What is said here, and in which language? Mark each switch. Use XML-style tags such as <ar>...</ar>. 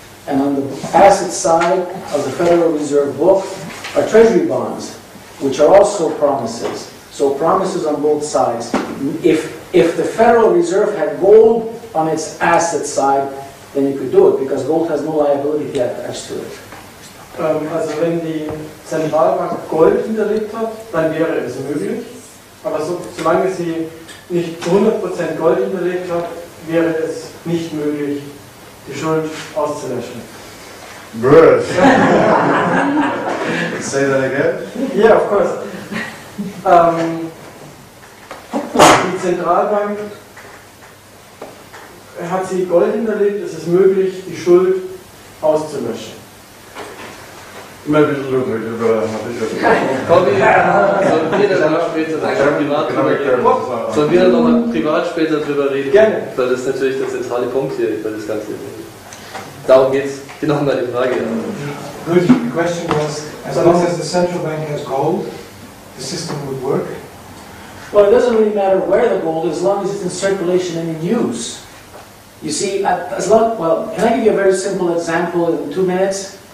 <en>And on the asset side of the Federal Reserve book are treasury bonds, which are also promises. So promises on both sides. If the Federal Reserve had gold on its asset side, then you could do it, because gold has no liability attached to it.</en> <de>Also wenn die Zentralbank Gold hinterlegt hat, dann wäre es möglich. Aber solange sie nicht 100% Gold hinterlegt hat, wäre es nicht möglich, die Schuld auszulöschen.</de> <en>Bruce. Say that again? Yeah, of course.</en> <de>Die Zentralbank, hat sie Gold hinterlegt, ist es möglich, die Schuld auszulöschen.</de> <en>Maybe it's a little bit, but I'm not sure.</en> <de>Sollen wir dann nochmal privat später drüber reden? Gerne. Weil das ist natürlich der zentrale Punkt hier, weil das Ganze hier. Darum geht's. Die noch mal die Frage.</de> <en>Good. The question was, as long as the central bank has gold, the system would work? Well, it doesn't really matter where the gold is, as long as it's in circulation and in use. You see, can I give you a very simple example in 2 minutes?</en>